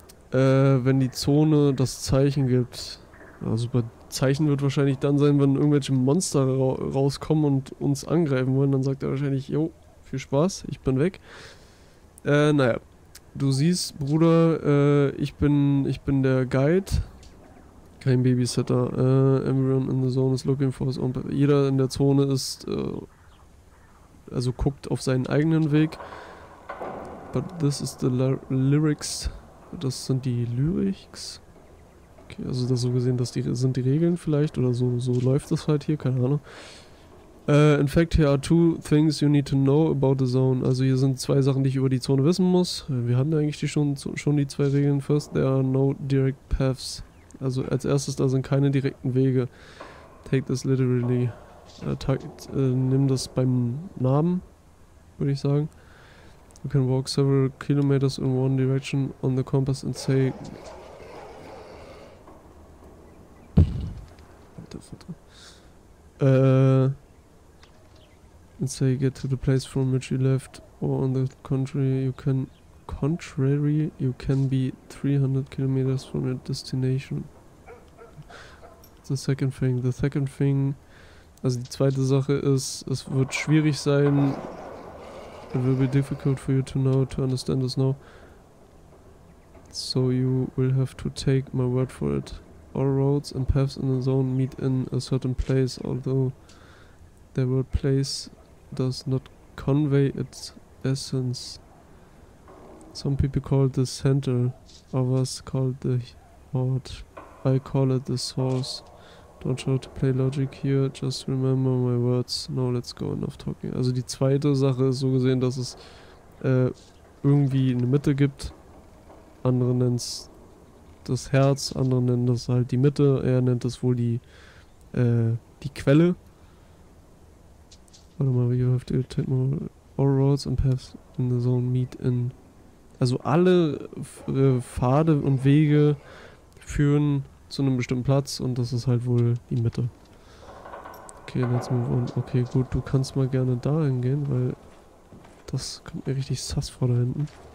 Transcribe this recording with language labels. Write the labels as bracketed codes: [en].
[de] Wenn die Zone das Zeichen gibt. Also bei Zeichen wird wahrscheinlich dann sein, wenn irgendwelche Monster rauskommen und uns angreifen wollen. Dann sagt er wahrscheinlich, jo, viel Spaß, ich bin weg. Naja, du siehst, Bruder, ich bin der Guide. Kein Babysitter. [en] Everyone in the zone is looking for his own. [de] Jeder in der Zone ist, also guckt auf seinen eigenen Weg. [en] But this is the lyrics. [de] Das sind die Lyrics. Okay, also das so gesehen, das sind die Regeln vielleicht. Oder so läuft das halt hier, keine Ahnung. [en] In fact, here are two things you need to know about the zone. [de] Also hier sind zwei Sachen, die ich über die Zone wissen muss. Wir hatten eigentlich schon die zwei Regeln. [en] First, there are no direct paths. [de] Also als erstes, da sind keine direkten Wege. [en] Take this literally. [de] Nimm das beim Namen, würde ich sagen. [en] You can walk several kilometers in one direction on the compass and say... and say get to the place from which you left, or on the contrary, you can be 300 kilometers from your destination. The second thing... [de] Also die zweite Sache ist, es wird schwierig sein. [en] It will be difficult for you to know, to understand us now. So you will have to take my word for it. all roads and paths in the zone meet in a certain place, although the word place does not convey its essence. Some people call it the center, others call it the heart. I call it the source. Don't try to play logic here, just remember my words. Now let's go, enough talking. [de] Also die zweite Sache ist so gesehen, dass es irgendwie eine Mitte gibt. Andere nennen es das Herz, andere nennen das halt die Mitte. Er nennt das wohl die die Quelle. Warte mal, [en] you have to take more. All roads and paths in the zone meet in. [de] Also alle Pfade und Wege führen zu einem bestimmten Platz und das ist halt wohl die Mitte. [en] Okay, let's move on. [de] Okay, gut, du kannst mal gerne da hingehen, weil das kommt mir richtig sass vor da hinten.